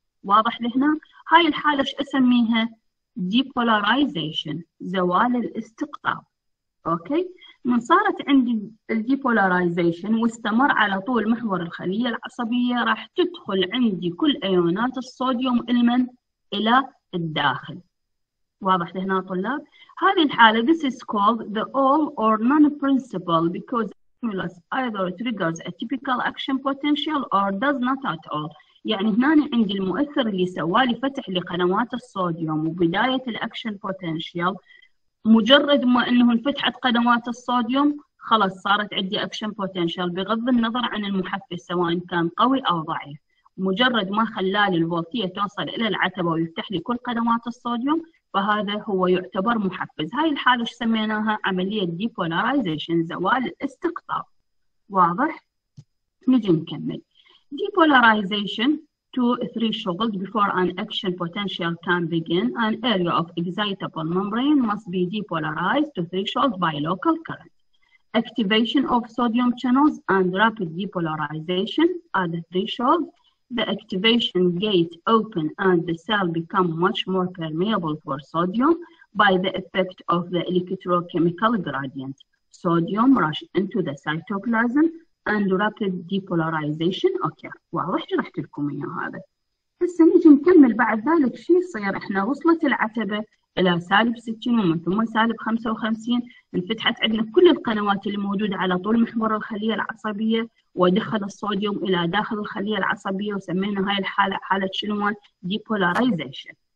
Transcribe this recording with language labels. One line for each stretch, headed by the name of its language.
Arabic: واضح لهنا؟ هاي الحالة إيش أسميها؟ depolarization، زوال الاستقطاب. أوكي؟ من صارت عندي depolarization واستمر على طول محور الخلية العصبية، راح تدخل عندي كل أيونات الصوديوم المن إلى الداخل. واضح لهنا طلاب؟ هذه الحالة
English: this is called the all or none principle because stimulus either triggers a typical action potential or does not at all.
Arabic: يعني هنا عندي المؤثر اللي سوالي فتح لقنوات الصوديوم وبداية الأكشن بوتنشال، مجرد ما انه انفتحت قنوات الصوديوم خلاص صارت عندي أكشن بوتنشال بغض النظر عن المحفز سواء كان قوي أو ضعيف. مجرد ما خلالي الفولتية توصل إلى العتبة ويفتح لي كل قنوات الصوديوم فهذا هو يعتبر محفز. هاي الحالة ايش سميناها؟ عملية depolarization، زوال الاستقطاب. واضح؟ نجي نكمل.
English: Depolarization to threshold before an action potential can begin. An area of excitable membrane must be depolarized to threshold by local current. Activation of sodium channels and rapid depolarization are the threshold. The activation gate open and the cell become much more permeable for sodium by the effect of the electrochemical gradient. Sodium rush into the cytoplasm and rapid depolarization.
Arabic: اوكي واضح شرحت لكم اياه هذا. هسه نجي نكمل بعد ذلك شو يصير. احنا وصلت العتبه الى سالب 60 ومن ثم سالب 55، انفتحت عندنا كل القنوات اللي موجوده على طول محور الخليه العصبيه ودخل الصوديوم الى داخل الخليه العصبيه وسمينا هاي الحاله حاله شنو؟ depolarization.